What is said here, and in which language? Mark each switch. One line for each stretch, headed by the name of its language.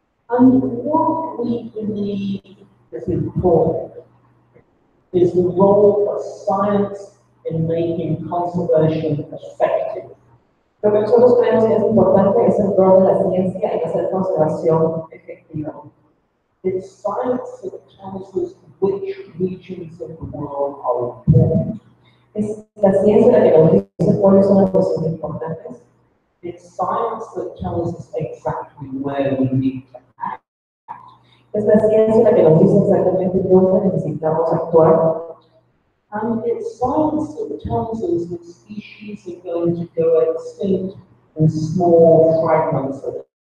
English: And what we believe is important is the role of science in making conservation effective.
Spanish: Lo que nosotros creemos que es importante es el rol de la ciencia en hacer conservación efectiva.
English: It's science that tells us which regions of the world are important.
Spanish: Es la ciencia la que nos dice cuáles son las cosas importantes.
English: It's science that tells us exactly where we need to act.
Spanish: Es la ciencia la que nos dice exactamente dónde necesitamos actuar.
English: And it's science that tells us that species are going to go extinct in small fragments of